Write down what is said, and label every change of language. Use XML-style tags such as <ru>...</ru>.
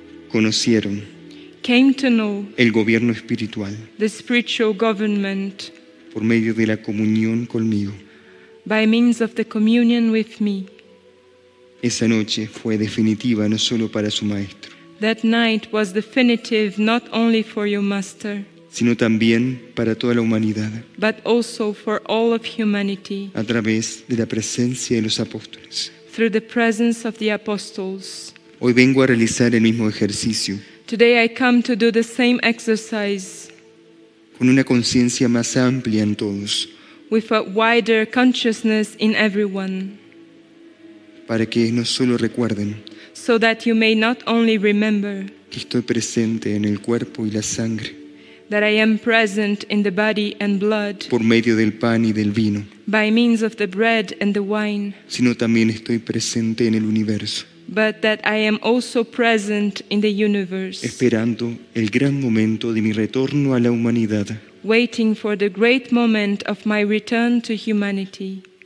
<es>conocieron,</es> <en>came to know,</en> <es>el gobierno espiritual,</es> <en>the spiritual government,</en> <es>por medio de la comunión conmigo,</es> <en>by means of the communion with me.</en> <es>Esa noche fue definitiva no solo para su maestro.</es> <en>That night was definitive not only for your master.</en> <es>Sino también para toda la humanidad.</es> <en>But also for all of humanity.</en> <es>A través de la presencia de los apóstoles.</es> <en>Through the presence of the apostles.</en> <es>Hoy vengo a realizar el mismo ejercicio.</es> <en>Today I come to do the same exercise.</en> <es>Con una conciencia más amplia en todos.</es> <en>With a wider consciousness in everyone.</en> <es>Para que no solo recuerden.</es> <en>So that you may not only remember.</en> <es>Que estoy presente en el cuerpo y la sangre.</es> <en>That I am present in the body and blood</en> <es>por medio del pan y del vino</es> <en>by means of the bread and the wine</en> <es>sino también estoy presente en el universo</es> <en>but that I am also present in the universe</en> <es>esperando el gran momento de mi retorno a la humanidad</es> <en>waiting for the great moment of my return to humanity.</en>